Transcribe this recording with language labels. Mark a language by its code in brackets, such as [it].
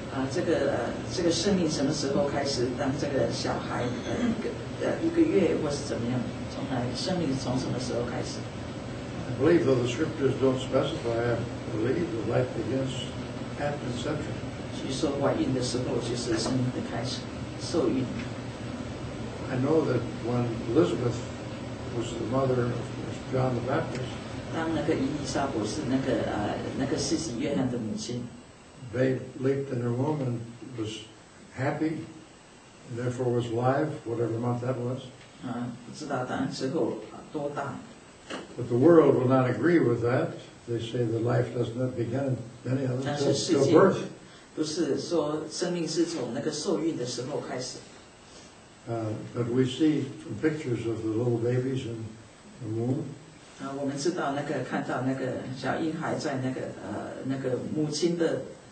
[zh] 这个生命什么时候开始当这个小孩一个月或是怎么样从来生命从什么时候开始 [en] I believe though the scriptures don't specify, I believe the life begins at conception. [zh] 其实怀孕的时候就是生命的开始受孕。 [en] I know that when Elizabeth was the mother of John the Baptist, [zh] 当那个伊丽莎伯是那个施洗约翰的母亲。 [en] They leaped in her womb and was happy, and therefore was alive, whatever month that was. [zh] 不知道当时候多大。 [en] But the world will not agree with that. They say that life does not begin at any other time. [zh] 但是世界不是说生命是从那个受孕的时候开始。 [en] But we see from pictures of the little babies in the womb. [zh] 我们知道那个看到那个小婴孩在那个母亲的。